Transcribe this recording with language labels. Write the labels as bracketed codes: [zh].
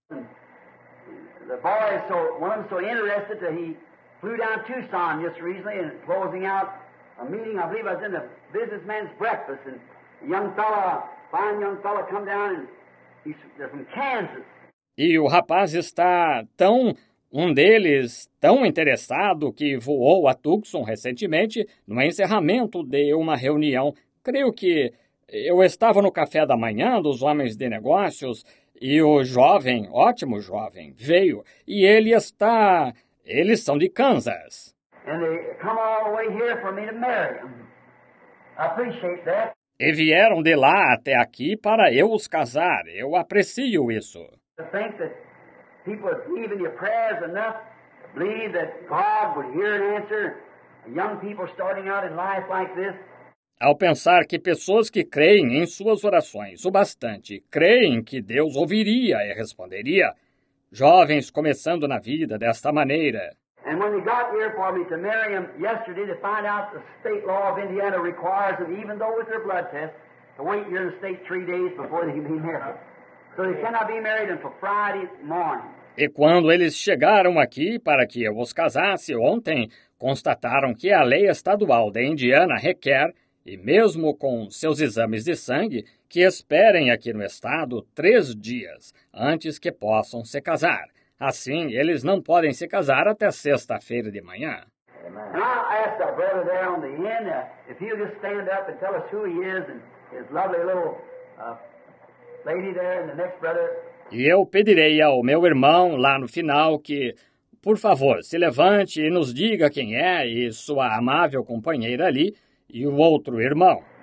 [en] The boy is so, one of them so interested that he flew down to Tucson just recently and closing out a meeting. I believe I was in the businessman's breakfast and a young fella, fine young fella, come down and he's from Kansas. [pt] E o rapaz está tão... Um deles tão interessado que voou a Tucson recentemente no encerramento de uma reunião. Creio que eu estava no café da manhã dos homens de negócios e o jovem, ótimo jovem, veio. E ele está... Eles são de Kansas. [en] And they come all the way here for me to marry them. I appreciate that. [pt] E vieram de lá até aqui para eu os casar. Eu aprecio isso. [en] To think that people are believing your prayers enough to believe that God would hear an answer. Young people starting out in life like this. [pt] Ao pensar que pessoas que creem em suas orações o bastante creem que Deus ouviria e responderia, jovens começando na vida desta maneira. E [en] And when he got here for me to marry him yesterday to find out the state law of Indiana requires them, even though with their blood test, to wait here in the state 3 days before they can be married. So they cannot be married until Friday morning. [pt] E quando eles chegaram aqui para que eu os casasse ontem, constataram que a lei estadual de Indiana requer, e mesmo com seus exames de sangue, que esperem aqui no estado 3 dias antes que possam se casar. Assim, eles não podem se casar até sexta-feira de manhã. E eu perguntei ao [en] brother [pt] lá no final, se ele só [en] stand up and tell us who he is and his lovely little lady there and the next brother. [pt] E eu pedirei ao meu irmão lá no final que, por favor, se levante e nos diga quem é e sua amável companheira ali e o outro irmão.